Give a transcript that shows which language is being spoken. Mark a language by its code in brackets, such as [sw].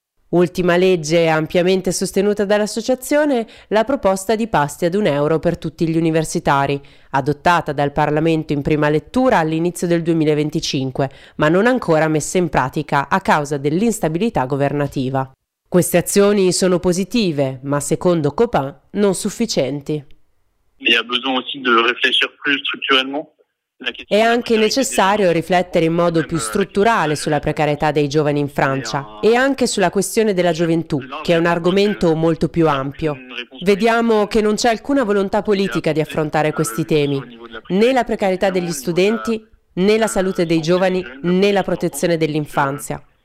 [it] Ultima legge ampiamente sostenuta dall'associazione, la proposta di pasti ad un euro per tutti gli universitari, adottata dal Parlamento in prima lettura all'inizio del 2025, ma non ancora messa in pratica a causa dell'instabilità governativa. Queste azioni sono positive, ma secondo Copin non sufficienti. [fr] Il y a besoin aussi de réfléchir plus structurellement. [it] È anche necessario riflettere in modo più strutturale sulla precarietà dei giovani in Francia e anche sulla questione della gioventù, che è un argomento molto più ampio. Vediamo che non c'è alcuna volontà politica di affrontare questi temi, né la precarietà degli studenti, né la salute dei giovani, né la protezione dell'infanzia.